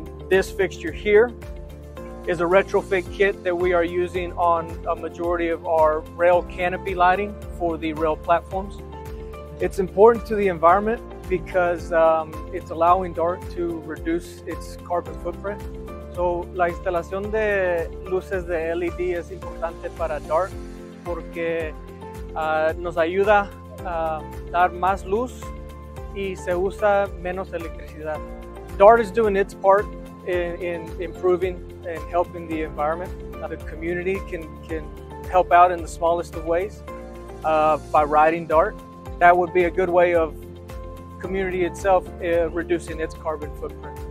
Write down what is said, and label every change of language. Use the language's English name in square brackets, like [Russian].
[English] This fixture here is a retrofit kit that we are using on a majority of our rail canopy lighting for the rail platforms. It's important to the environment because it's allowing DART to reduce its carbon footprint. [Spanish] So la instalación de luces de LED es importante para DART porque nos ayuda a dar más luz y se usa menos electricidad. [English] DART is doing its part in improving and helping the environment. The community can help out in the smallest of ways by riding DART. That would be a good way of community itself reducing its carbon footprint.